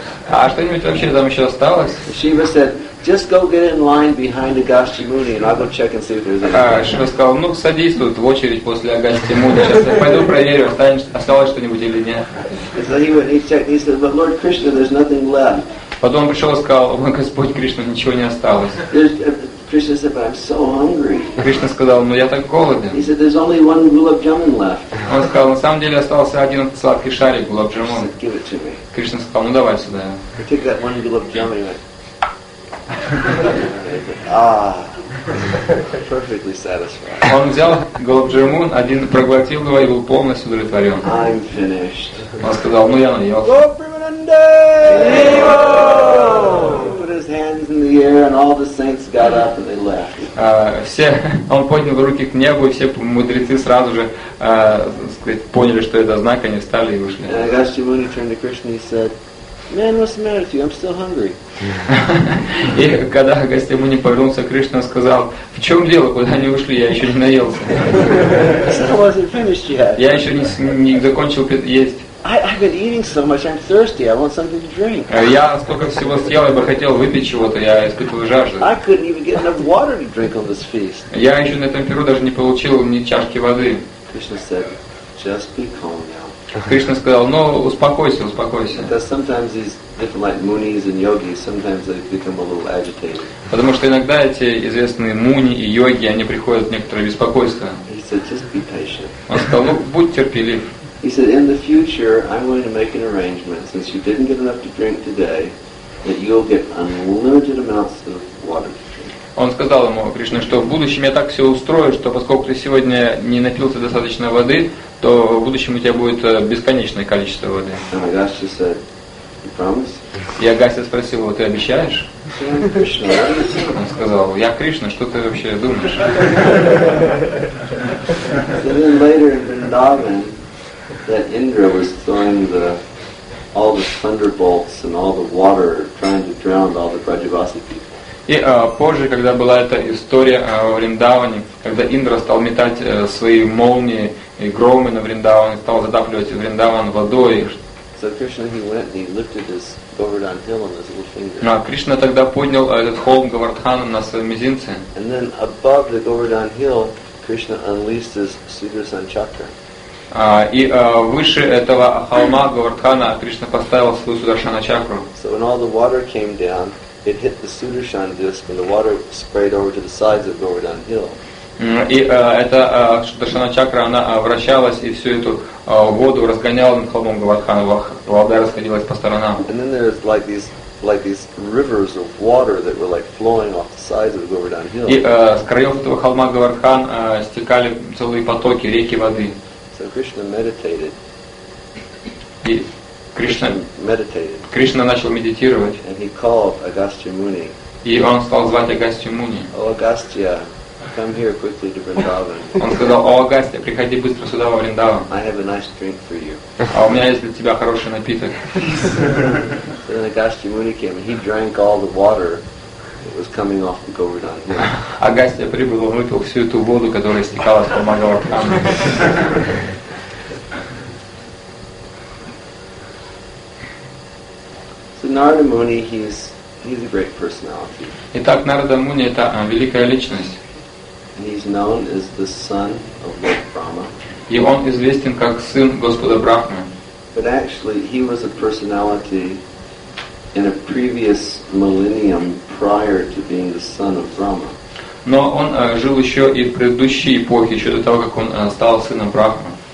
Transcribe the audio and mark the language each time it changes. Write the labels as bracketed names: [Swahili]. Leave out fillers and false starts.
[Russian] А что-нибудь вообще там еще осталось? [English] Shiva said, "Just go get in line behind Agastya Muni, and I'll go check and see if there's anything." [Russian] Шива сказал: "Ну, садись тут в очередь после Агастьи Муни. Сейчас я пойду проверю, осталось что-нибудь или нет." [English] So he went, he checked, he said, "But Lord Krishna, there's nothing left." [Russian] Потом он пришел и сказал: "О, Господь Кришна, ничего не осталось." [English] Krishna said, "But I'm so hungry." [Russian] Кришна сказал: "Ну, я так голоден." [English] He said, "There's only one gulab jamun left." [Russian] Он сказал: "На самом деле остался один сладкий шарик gulab jamun." [English] He said, "Give it to me." [Russian] Кришна сказал: "Ну, давай сюда." [English] He took that one gulab jamun. Perfectly satisfied. [Russian] Он взял gulab jamun, один проглотил его и был полностью удовлетворен. [English] I'm finished. [Russian] Он сказал: "Ну, я наелся." [English] Oh, Premananda! Evo! Hands in the air, and all the saints got up and they left. [Russian] Все, он поднял руки к небу, и все мудрецы сразу же, поняли, что это знак, они встали и ушли. [English] And Agastya Muni turned to Krishna, he said, "Man, what's the matter with you? I'm still hungry." [Russian] И когда Агастья Муни повернулся к Кришне, он сказал: "В чем дело? Куда они ушли? Я еще не наелся." Я еще не закончил есть. [English] I've been eating so much. I'm thirsty. I want something to drink. [Russian] Я столько всего съел, я бы хотел выпить чего-то. Я испытываю жажду. [English] I couldn't even get enough water to drink on this feast. [Russian] Я еще на этом пиру даже не получил ни чашки воды. [English] Krishna said, "Just be calm now." [Russian] Кришна сказал: "Ну, успокойся." [English] Because sometimes these different like munis and yogis, sometimes they become a little agitated. [Russian] Потому что иногда эти известные муни и йоги, они приходят в некоторое беспокойство. [English] He said, "Just be patient." [Russian] Он сказал: "Ну, будь терпелив." [English] He said, "In the future, I'm going to make an arrangement. Since you didn't get enough to drink today, that you'll get unlimited amounts of water to drink." [Russian] Он сказал ему, Кришна, что в будущем я так все устрою, что поскольку ты сегодня не напился достаточно воды, то в будущем у тебя будет бесконечное количество воды. [English] And Agastya said, "You promise?" [Russian] И Агастья спросил его: "Ты обещаешь?" Он сказал: "Я Кришна, что ты вообще думаешь?" [English] So then later in Vrindavan, that Indra was throwing all the thunderbolts and all the water, trying to drown all the Vrajavasi people. [Russian] И позже, когда была эта история о Вриндаване, когда Индра стал метать свои молнии и громы на Вриндаван, стал затапливать Вриндаван водой. А Кришна тогда поднял этот холм Говардхана на своем мизинце. [English] And then above the Govardhan hill, Krishna unleashed his Sudarshan chakra. [Russian] И выше этого холма Говардхана Кришна поставил свою Сударшана чакру. [English] So when all the water came down, it hit the Sudarshan disc, and the water sprayed over to the sides of Govardhan hill. [Russian] И эта Сударшана чакра, она вращалась, и всю эту воду разгоняла над холмом Говардхана, вода расходилась по сторонам. [English] And then there's like these rivers of water that were like flowing off the sides of Govardhan hill. [Russian] И с краев этого холма Говардхан стекали целые потоки, реки воды. [English] So Krishna meditated. [Russian] И Кришна начал медитировать. [English] And he called Agastya Muni. [Russian] И он стал звать Агастью Муни. [English] Oh, Agastya. Come here quickly to Vrindavan. [Russian] Он сказал: О, Агастья, приходи быстро сюда во Вриндаван. [English] I have a nice drink for you. [Russian] А у меня есть для тебя хороший напиток. [English] So then Agastya Muni came, and he drank all the water that was coming off the Govardhan. [Russian] Агастья прибыл, он выпил всю эту воду, которая стекала с холма Говардхана. [English] So Narada Muni, he's a great personality. [Russian] Итак, Нарада Муни — это великая личность. [English] He's known as the son of Lord Brahma. [Russian] И он известен как сын Господа Брахмы. [English] But actually, he was a personality in a previous millennium prior to being the son of Brahma. [Russian] Но он жил еще и в предыдущей эпохе, еще до того, как он стал сыном Брахмы.